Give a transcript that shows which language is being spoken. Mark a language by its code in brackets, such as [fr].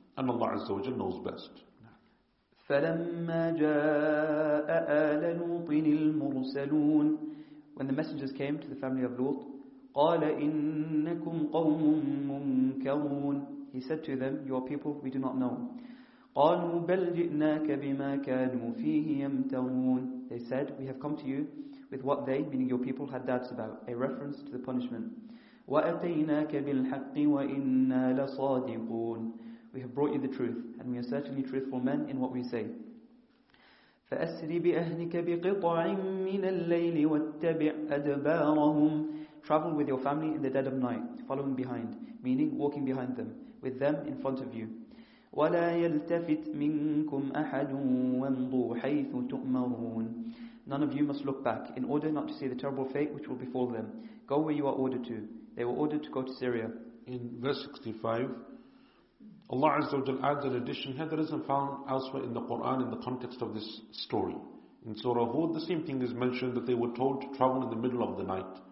[en] And Allah Azza wa Jalla knows best. [ar] فَلَمَّا جَاءَ آلَ لُوطٍ الْمُرْسَلُونَ. [en] When the messengers came to the family of Lut, [ar] قال إنكم قوم منكرون. [en] He said to them, "Your people, we do not know." [ar] قالوا بل جئناك بما كانوا فيه يمترون. [en] They said, "We have come to you with what they," meaning your people, "had doubts about," a reference to the punishment. [ar] وأتيناك بالحق وإنا لصادقون. [en] We have brought you the truth, and we are certainly truthful men in what we say. [ar] فأسر بأهلك بقطع من الليل واتبع أدبارهم. [en] Travel with your family in the dead of night, following behind, meaning walking behind them, with them in front of you. [ar] ولا يلتفت منكم أحد وانظوا حيث تؤمرون. [en] None of you must look back in order not to see the terrible fate which will befall them. Go where you are ordered to. They were ordered to go to Syria. In verse 65, Allah Azza wa Jal adds an addition here that isn't found elsewhere in the Quran in the context of this story. In Surah Hud, the same thing is mentioned, that they were told to travel in the middle of the night.